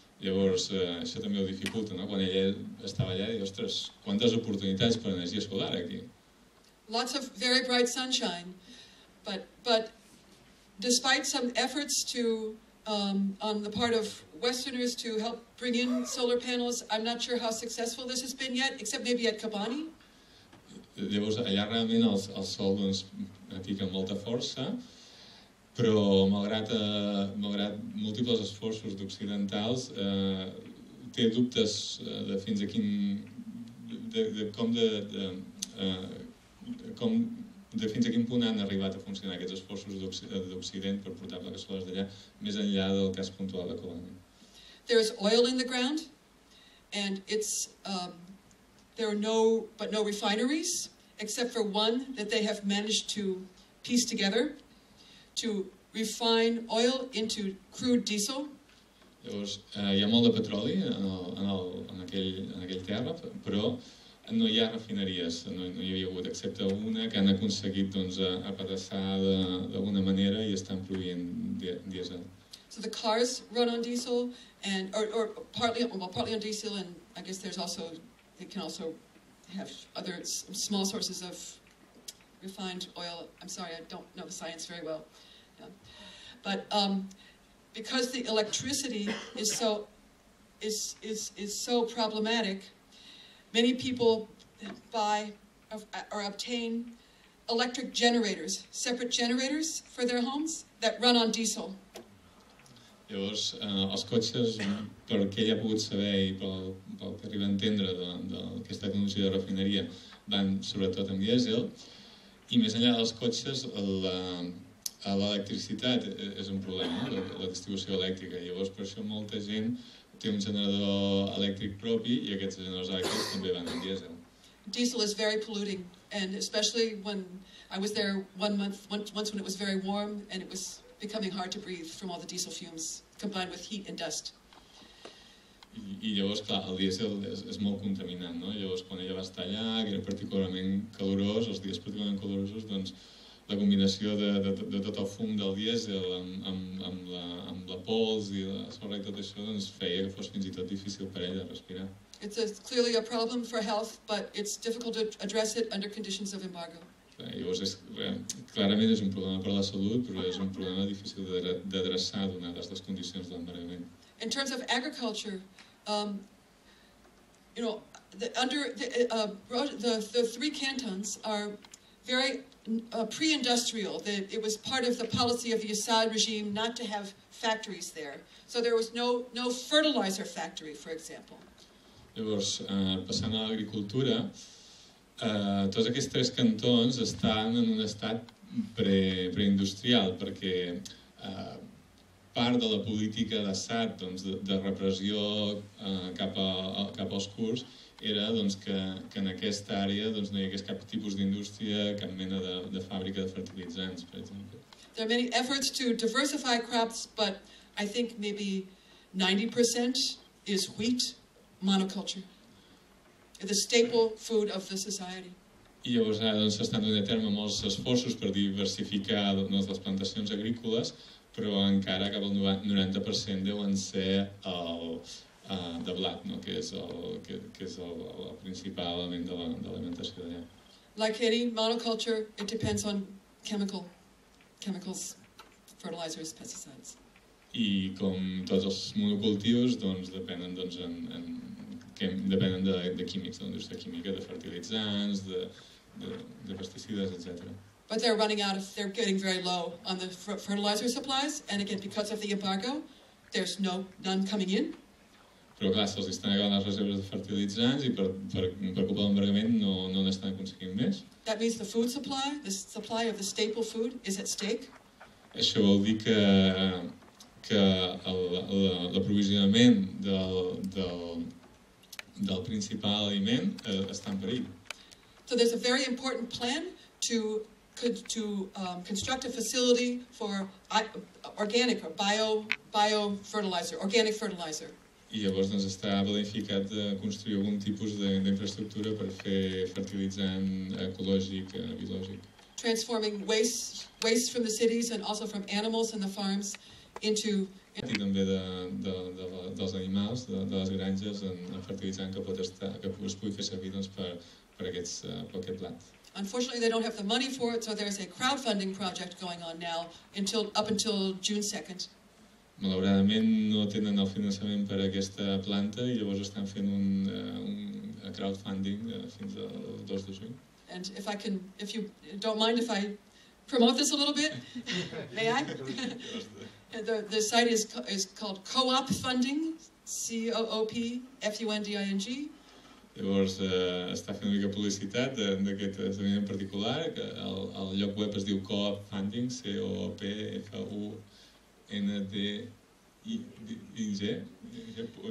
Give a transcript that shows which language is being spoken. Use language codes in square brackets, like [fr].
[ca] Llavors, això també ho dificulta, no?, quan ell estava allà i, ostres, quantes oportunitats per energia solar aquí. [en] Lots of very bright sunshine, but despite some efforts to on the part of Westerners to help bring in solar panels, I'm not sure how successful this has been yet, except maybe at Kobani. [ca] Llavors, allà realment el sol, doncs, pica amb molta força, però malgrat múltiples esforços d'occidentals, té dubtes de fins a quin... de fins a quin punt han arribat a funcionar aquests esforços d'Occident per portar plaques solars d'allà, més enllà del cas puntual de Kobani. [en] There is oil in the ground, and it's... there are no refineries, except for one that they have managed to piece together to refine oil into crude diesel. [ca] Llavors, hi ha molt de petroli en aquell terra, però no hi ha refineries, no hi havia hagut, excepte una que han aconseguit, doncs, apedassar d'alguna manera i estan produint diesel. [en] So the cars run on diesel, and partly on diesel, and I guess there's also, they can also have other small sources of refined oil. I'm sorry, I don't know the science very well. Yeah. But because the electricity is so problematic, many people buy or obtain electric generators, separate generators for their homes that run on diesel. [ca] Llavors, els cotxes, pel que ell ha pogut saber i pel que arriba a entendre d'aquesta tecnologia de refineria, van sobretot amb dièsel. I més enllà dels cotxes, l'electricitat és un problema, la distribució elèctrica. Llavors, per això molta gent té un generador elèctric propi i aquests generadors elèctrics també van amb dièsel. [en] Diesel is very polluting, and especially when I was there once when it was very warm and it was becoming hard to breathe from all the diesel fumes combined with heat and dust. [ca] I llavors, clar, el diesel és molt contaminant, no? Llavors, quan ella va estar allà, que era particularment calorós, els dies particularment calorosos, doncs la combinació de tot el fum del dièsel amb la pols i la sorra i tot això, doncs feia que fos fins i tot difícil per ella respirar. [en] It's a, clearly a problem for health, but it's difficult to address it under conditions of embargo. [ca] Llavors, és, clarament és un problema per la salut, però és un problema difícil d'adreçar donades les condicions d'embargament. [en] In terms of agriculture, you know, the three cantons are very pre-industrial. It was part of the policy of the Assad regime not to have factories there. So there was no fertilizer factory, for example. [ca] Llavors, passant a l'agricultura, tots aquests tres cantons estan en un estat preindustrial, perquè part de la política d'Assad, doncs, de repressió cap als kurds, era doncs, que en aquesta àrea doncs, no hi hagués cap tipus d'indústria, cap mena de fàbrica de fertilitzants, per exemple. [en] There are many efforts to diversify crops, but I think maybe 90% is wheat monoculture. The staple food of the society. [ca] I llavors ara doncs, s'estan donant a terme molts esforços per diversificar doncs, les plantacions agrícoles, però encara cap al 90% deuen ser el de blat, no? Que és el principal element de l'alimentació d'allà. [en] Like any monoculture, it depends on chemicals, fertilizers, pesticides. [ca] I com tots els monocultius, doncs depenen doncs, depenen de químics, de l'indústria química, de fertilitzants, de pesticides, etc. [en] But they're running out of, they're getting very low on the fertilizer supplies, and again, because of the embargo, there's none coming in. [ca] Però clar, se'ls estan acabant les reserves de fertilitzants i per culpa de l'embargament no n'estan aconseguint més. [en] That means the food supply, the supply of the staple food is at stake. [ca] Això vol dir que l'aprovisionament del principal aliment està en perill. [en] So there's a very important plan to construct a facility for organic or bio fertilizer, organic fertilizer. [ca] I llavors doncs, està planificat de construir algun tipus d'infraestructura per fer fertilitzant ecològic, biològic. [en] Transforming waste from the cities and also from animals and the farms into... [ca] I també dels animals, de les granges, en fertilitzant que es pugui fer servir doncs, per aquest plat. [en] Unfortunately, they don't have the money for it, so there's a crowdfunding project going on now up until June 2nd. [ca] Malauradament, no tenen el finançament per aquesta planta i llavors estan fent un crowdfunding fins al 2 de juny. [en] And if I can, if you don't mind if I promote this a little bit, may I? The site is called Co-op Funding, COOPFUNDING. [ca] Llavors, està fent una mica publicitat d'aquest esdeveniment en particular, que el lloc web es diu Co-op Funding, COOPFUNDING.